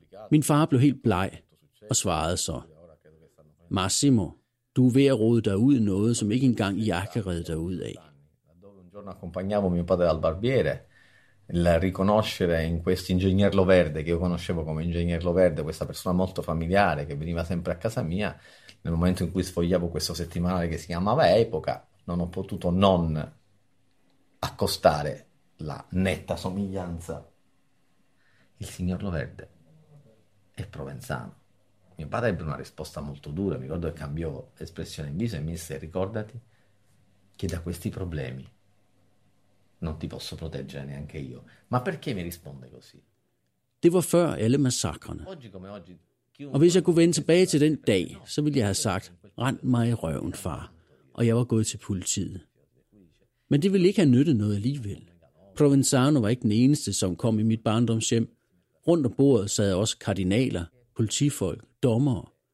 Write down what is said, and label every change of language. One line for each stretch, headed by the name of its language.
Danish: Min far blev helt bleg og svarede så, Massimo, du er ved at rode dig ud i noget, som ikke engang jeg kan redde dig ud af.
Italian: Un giorno accompagnavo mio padre al barbiere, la riconoscere in questo ingegner Loverde, che io conoscevo come ingegner Loverde, questa persona molto familiare che veniva sempre a casa mia, nel momento in cui sfogliavo questo settimanale che si chiamava Epoca, non ho potuto non accostare la netta somiglianza il signor Loverde. E Provenzano. Mio padre ebbe una risposta molto dura, mi ricordo che cambiò espressione in viso e mi disse, ricordati che da questi problemi non ti posso proteggere neanche io. Ma perché mi risponde così?
Danish: Det var før alle massakrene. Og hvis jeg kunne vende tilbage til den dag, så ville jeg have sagt, rend mig i røven, far, og jeg var gået til politiet. Men det ville ikke have nyttet noget alligevel. Provenzano var ikke den eneste, som kom i mit barndomshjem. Rundt om bordet sad også kardinaler, politifolk, dommere.